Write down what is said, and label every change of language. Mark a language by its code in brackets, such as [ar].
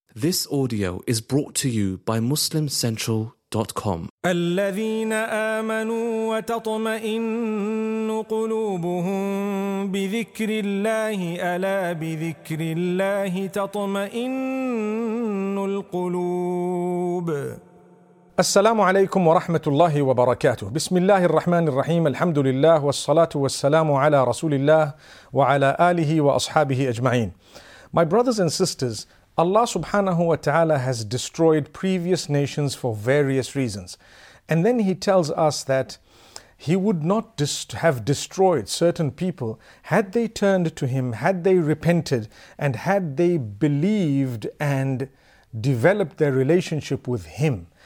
[en] This audio is brought to you by MuslimCentral.com. [ar] الذين آمنوا وتطمئن قلوبهم بذكر الله ألا بذكر الله تطمئن القلوب. السلام عليكم ورحمة الله وبركاته. بسم الله الرحمن الرحيم. الحمد لله والصلاة والسلام على رسول الله وعلى آله وأصحابه أجمعين. [en] My brothers and sisters, Allah subhanahu wa ta'ala has destroyed previous nations for various reasons. And then He tells us that He would not have destroyed certain people had they turned to Him, had they repented, and had they believed and developed their relationship with Him.